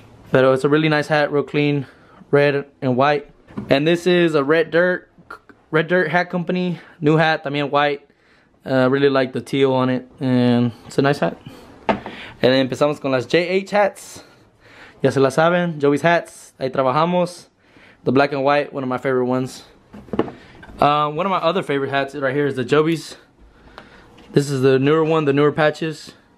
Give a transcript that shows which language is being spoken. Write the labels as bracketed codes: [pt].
[en] But it's a really nice hat, real clean, red and white. And this is a Red Dirt Hat Company, new hat, [es] también [en] white. Really like the teal on it, and it's a nice hat. And then [es] empezamos con las JH hats. Ya se la saben, Joey's Hats, ahí trabajamos. [en] The black and white, one of my favorite ones. One of my other favorite hats right here is the Joey's. This is the newer one, the newer patches.